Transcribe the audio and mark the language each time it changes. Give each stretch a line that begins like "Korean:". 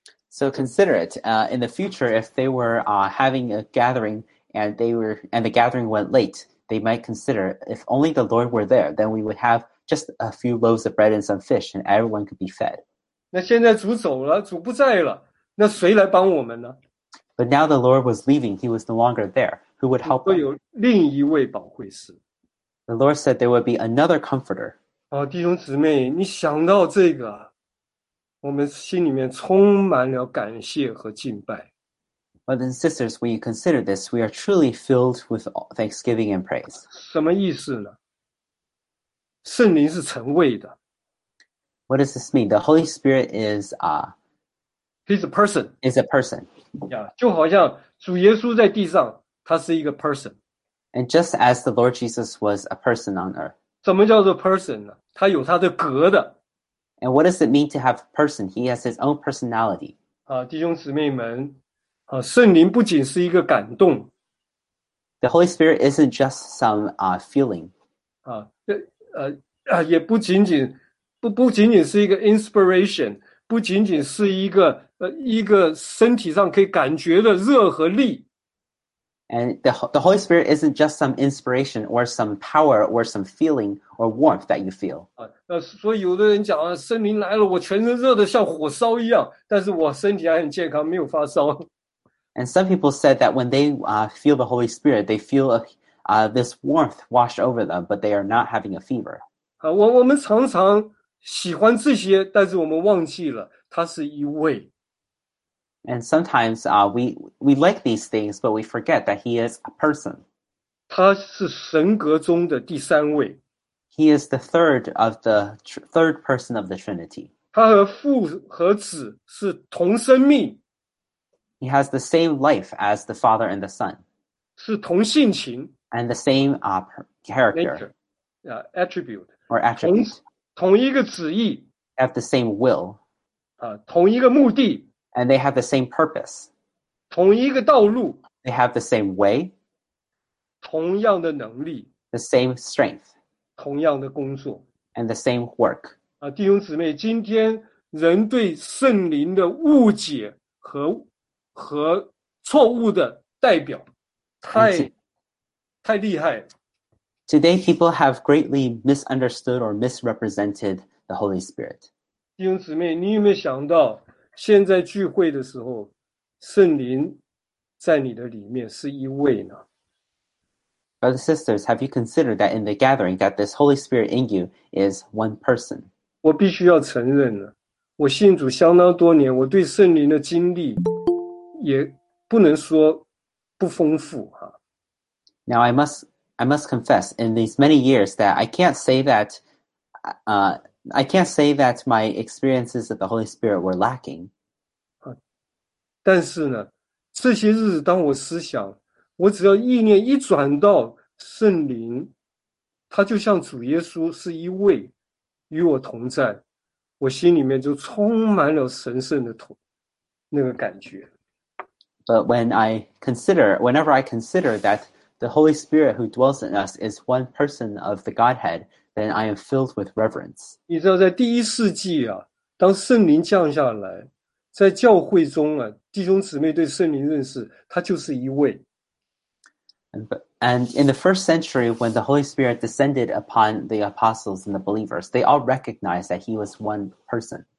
English: So consider it, in the future, if they were having a gathering and the gathering went late, they might consider if only the Lord were there, then we would have just a few loaves of bread and some fish, and everyone could be fed.
Chinese: 那现在主走了，主不在了。那谁来帮我们呢？
English: But now the Lord was leaving, he was no longer there. Who would help?
Chinese: 会有另一位保惠师。
English: The Lord said there would be another comforter.
Chinese: 哦，弟兄姊妹，你想到这个，我们心里面充满了感谢和敬拜。
English: Brothers and sisters, when you consider this, we are truly filled with thanksgiving and praise.
Chinese: 什么意思呢？圣灵是成位的。
English: What does this mean? The Holy Spirit is He's a person. Is a person.
Chinese: Yeah, 就好像主耶稣在地上，他是一个 person.
English: And just as the Lord Jesus was a person on earth.
Chinese: 怎么叫做 person 呢？他有他的格的。
English: And what does it mean to have person? He has his own personality.
Chinese: 啊，弟兄姊妹们，啊，圣灵不仅是一个感动。
English: The Holy Spirit isn't just some feeling.
Chinese: 啊，也不仅仅不仅仅是一个 inspiration， 不仅仅是一个身体上可以感觉的热和力。
English: And the Holy Spirit isn't just some inspiration or some power or some feeling or warmth that you feel.
Chinese: 所以有的人讲啊，圣灵来了，我全身热的像火烧一样，但是我身体还很健康，没有发烧。
English: And some people said that when they feel the Holy Spirit, they feel this warmth washed over them, but they are not having a fever.
Chinese: 我们常常喜欢这些，但是我们忘记了，它是一位。
English: And sometimes we like these things, but we forget that he is a person.
Chinese: 他是神格中的第三位。
English: He is the third of the third person of the Trinity.
Chinese: 他和父和子是同生命。
English: He has the same life as the Father and the Son.
Chinese: 是同性情。
English: And the same character. Nature, attribute. Or attribute.
Chinese: 同一个旨意。
English: Have the same will.
Chinese: 同一个目的。
English: And they have the same purpose.
Chinese: 同一个道路。
English: They have the same way.
Chinese: 同样的能力。
English: The same strength.
Chinese: 同样的工作。
English: And the same work.
Chinese: 弟兄姊妹，今天人对圣灵的误解和错误的代表太厉害了。
English: Today, people have greatly misunderstood or misrepresented the Holy Spirit.
Chinese: 弟兄姊妹，你有没有想到现在聚会的时候，圣灵在你的里面是一位呢？
English: Brothers and sisters, have you considered that in the gathering that this Holy Spirit in you is one person?
Chinese: 我必须要承认了，我信主相当多年，我对圣灵的经历也不能说不丰富啊。
English: Now I must confess, in these many years that I can't say that, I can't say that my experiences of the Holy Spirit were lacking.
Chinese: 但是呢，这些日子当我思想，我只要意念一转到圣灵，他就像主耶稣是一位与我同在，我心里面就充满了神圣的那个感觉。
English: But whenever I consider that the Holy Spirit who dwells in us is one person of the Godhead, then I am filled with reverence.
Chinese: 你知道在第一世纪啊，当圣灵降下来，在教会中啊，弟兄姊妹对圣灵认识，他就是一位。
English: And in the first century, when the Holy Spirit descended upon the apostles and the believers, they all recognized that he was one person.